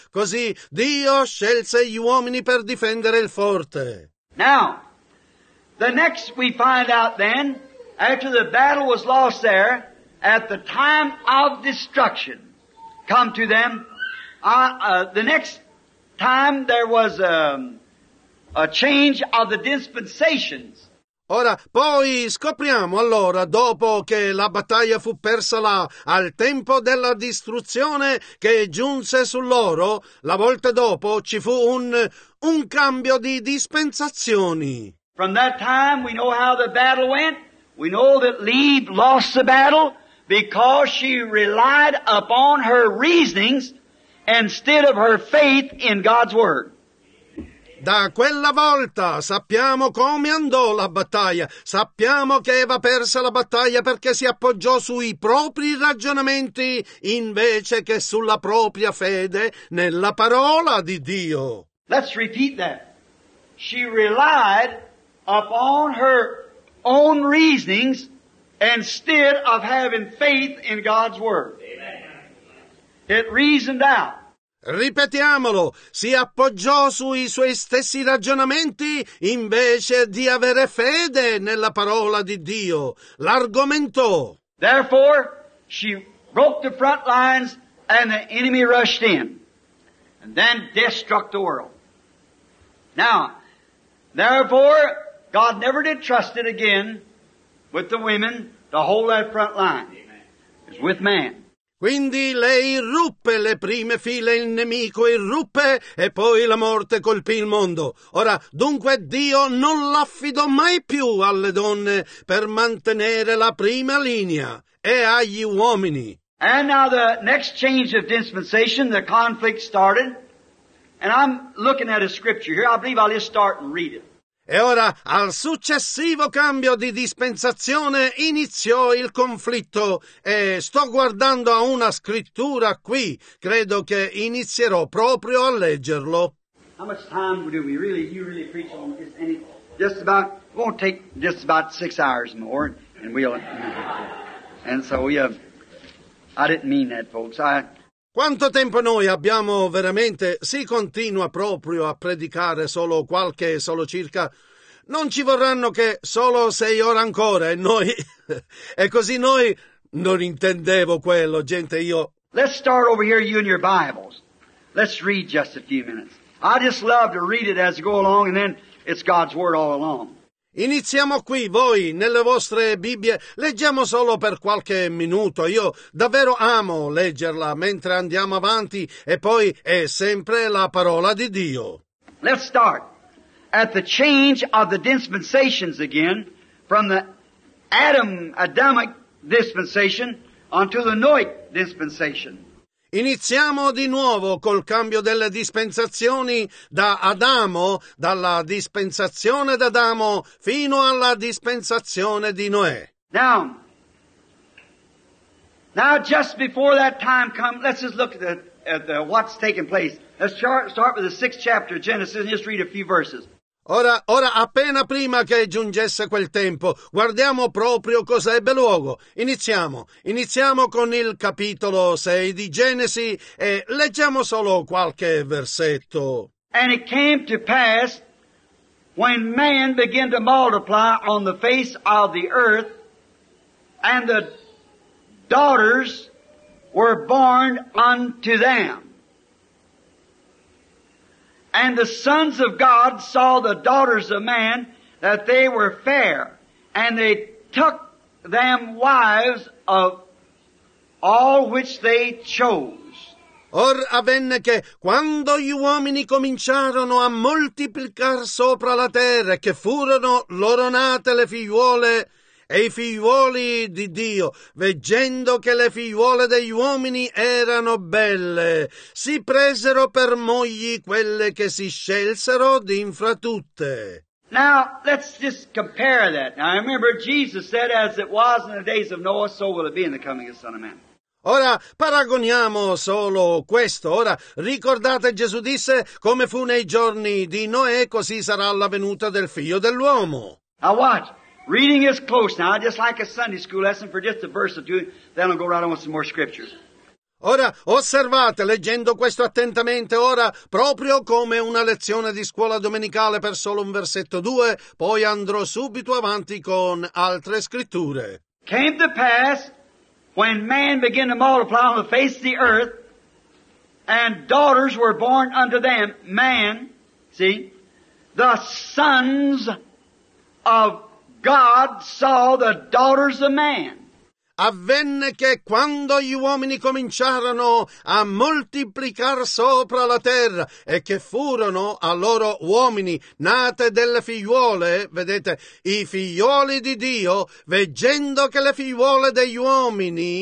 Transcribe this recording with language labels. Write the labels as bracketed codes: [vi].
[it] Così Dio scelse gli uomini per difendere il forte. [en] Now, the next we find out then, after the battle was lost there, at the time of destruction, come to them, the next time there was a change of the dispensations. [it] Ora, poi scopriamo allora, dopo che la battaglia fu persa là, al tempo della distruzione che giunse su loro, la volta dopo ci fu un cambio di dispensazioni. [en] From that time, we know how the battle went. We know that Eve lost the battle because she relied upon her reasonings instead of her faith in God's Word. [it] Da quella volta sappiamo come andò la battaglia. Sappiamo che Eva perse la battaglia perché si appoggiò sui propri ragionamenti invece che sulla propria fede nella parola di Dio. [en] Let's repeat that. She relied upon her own reasonings instead of having faith in God's Word. Amen. It reasoned out. [it] Ripetiamolo, si appoggiò sui suoi stessi ragionamenti invece di avere fede nella parola di Dio. L'argomentò. [en] Therefore, she broke the front lines and the enemy rushed in. And then death struck the world. Now, therefore, God never did trust it again with the women to hold that front line. It's with man. [it] Quindi lei ruppe le prime file, il nemico irruppe e poi la morte colpì il mondo. Ora, dunque Dio non l'affidò mai più alle donne per mantenere la prima linea e agli uomini. [en] And now the next change of dispensation, the conflict started. And I'm looking at a scripture here. I believe I'll just start and read it. [it] E ora, al successivo cambio di dispensazione, iniziò il conflitto. E sto guardando a una scrittura qui. Credo che inizierò proprio a leggerlo. [en] How much time do we really, you really preach on this? Just about, it won't take just about 6 hours more. And we'll, and so, yeah, I didn't mean that, folks. [it] Quanto tempo noi abbiamo veramente? Si continua proprio a predicare solo circa. Non ci vorranno che solo 6 ore ancora e noi. E così noi. Non intendevo quello, gente, io. [en] Let's start over here, you and your Bibles. Let's read just a few minutes. I just love to read it as you go along and then it's God's Word all along. [it] Iniziamo qui, voi, nelle vostre Bibbie, leggiamo solo per qualche minuto, io davvero amo leggerla mentre andiamo avanti e poi è sempre la parola di Dio. [en] Let's start at the change of the dispensations again from the Adamic dispensation onto the Noic dispensation. [it] Iniziamo di nuovo col cambio delle dispensazioni da Adamo, dalla dispensazione d'Adamo fino alla dispensazione di Noè. [en] Now, just before that time comes, let's just look at what's taking place. Let's start with the sixth chapter of Genesis and just read a few verses. [it] Ora, appena prima che giungesse quel tempo, guardiamo proprio cosa ebbe luogo. Iniziamo con il capitolo 6 di Genesi e leggiamo solo qualche versetto. [en] And it came to pass when man began to multiply on the face of the earth, and the daughters were born unto them. And the sons of God saw the daughters of man, that they were fair, and they took them wives of all which they chose. [it] Or avvenne che, quando gli uomini cominciarono a moltiplicar sopra la terra, che furono loro nate le figliuole e i figliuoli di Dio, veggendo che le figliuole degli uomini erano belle, si presero per mogli quelle che si scelsero di fra tutte. [en] Now, let's just compare that. Now, I remember Jesus said, as it was in the days of Noah, so will it be in the coming of the Son of Man. [it] Ora, paragoniamo solo questo. Ora, ricordate, Gesù disse, come fu nei giorni di Noè, così sarà la venuta del Figlio dell'uomo. [en] Now watch. Reading is close now, just like a Sunday school lesson for just a verse or two, then I'll go right on with some more scriptures. [it] Ora, osservate, leggendo questo attentamente ora, proprio come una lezione di scuola domenicale per solo un versetto o due, poi andrò subito avanti con altre scritture. [en] Came to pass when man began to multiply on the face of the earth, and daughters were born unto them, man, see, the sons of God saw the daughters of man. [it] Avvenne che quando gli uomini cominciarono a moltiplicar sopra la terra e che furono a loro uomini nate delle figliuole, vedete, i figlioli di Dio, veggendo che le figliuole degli uomini.